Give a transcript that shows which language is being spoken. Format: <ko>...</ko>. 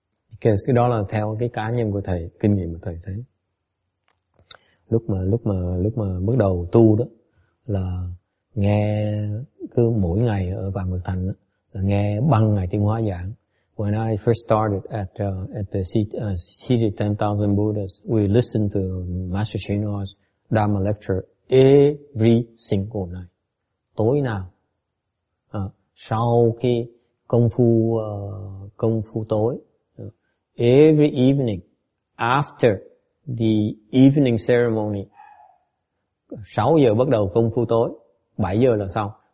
<vi>Because cái đó là theo cái cá nhân của thầy, kinh nghiệm của thầy thấy. Lúc mà bắt đầu tu đó, là nghe cứ mỗi ngày ở Vạn Mực Thành đó, là nghe băng ngày Tiếng Hóa giảng.</vi> <en>When I first started at the 10,000 Buddhas, we listened to Master Shinoa's Dharma lecture every single night.</en> <vi>Tối nào, sau khi công phu tối,</vi> <en>every evening after the evening ceremony,</en> <vi>6 giờ bắt đầu công phu tối, 7 giờ là xong.</vi>